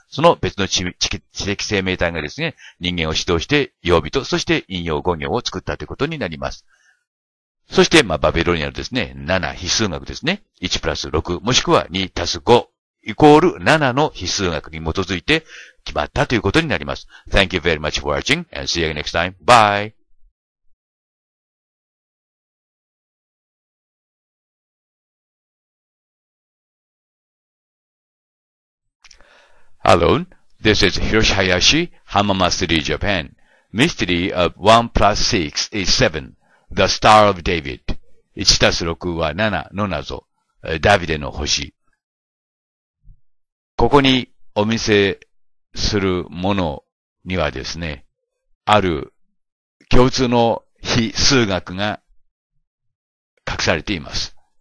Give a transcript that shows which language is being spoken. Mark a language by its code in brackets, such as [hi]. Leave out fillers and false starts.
[ja] その別の 知的生命体がですね、人間を指導して曜日と、そして陰陽五行を作ったということになります。そして、まあ、バビロニアのですね、7、非数学ですね。1プラス6、もしくは2たす5、イコール7の非数学に基づいて、決まったということになります。 [en] Thank you very much for watching and see you next time. Bye! Hello, this is Hiroshi Hayashi, Hamamatsuri, Japan. Mystery of 1 plus 6 is 7, the Star of David. [ja] 1たす6は7の謎、ダビデの星。ここにお見せするものにはですね、ある共通の非数学が隠されています。